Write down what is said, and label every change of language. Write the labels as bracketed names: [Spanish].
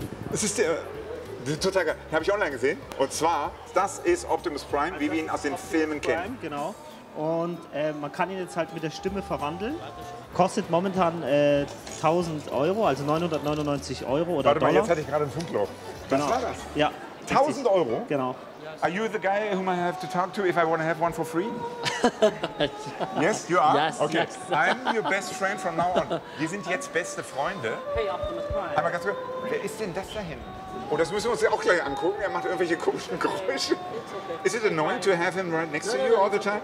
[German] Das ist der. Total geil. Den habe ich online gesehen. Und zwar, das ist Optimus Prime, wie wir ihn aus den Filmen kennen. Prime, genau. Und man kann ihn jetzt halt mit der Stimme verwandeln. Kostet momentan 1000 Euro, also 999 Euro oder Dollar. Warte mal, jetzt hatte ich gerade ein Funkloch. Genau. Was war das? Ja. 1000 Euro? Genau. [English] Are you the guy whom I have to talk to if I want to have one for free? Yes, you are? Yes, okay. Yes. I'm your best friend from now on. [German] Wir sind jetzt beste Freunde. Hey, Optimus Prime. Einmal ganz kurz, wer ist denn das da hinten? Oh, das müssen wir uns ja auch gleich angucken. Er macht irgendwelche komischen Geräusche. Okay. [English] Is it annoying to have him right next to you all the time?